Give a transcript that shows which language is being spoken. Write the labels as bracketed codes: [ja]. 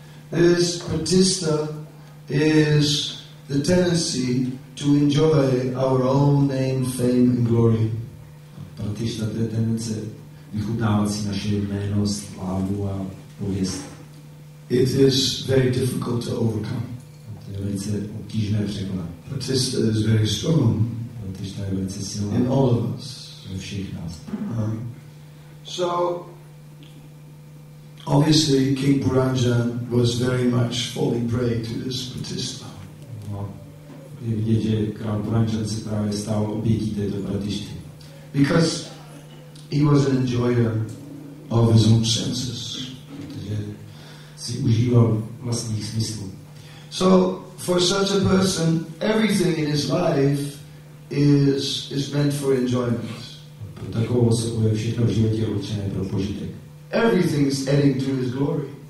[en] This pratistha is the tendency to enjoy our own name, fame, and glory. [cs] Pratishta je tendence vychutnávat si naše jméno, slávu a pověst. [en] It is very difficult to overcome. [cs] To je velice obtížné překonat. [en] Pratistha is very strong. [cs] Pratistha je velice silná. [en] In all of us. [cs] Ve všech nás. [en] So, obviously, King Puranjan was very much falling prey to this pratistha. [cs] No, je vidět, že král Puranjan se právě stal obětí této pratisty. [en] Because he was an enjoyer of his own senses. [cs] Si užíval vlastních smyslů. [en] So for such a person, everything in his life is meant for enjoyment. [cs] Pro takovou osobu je všechno v životě určené pro požitek. [en] Everything is adding to his glory.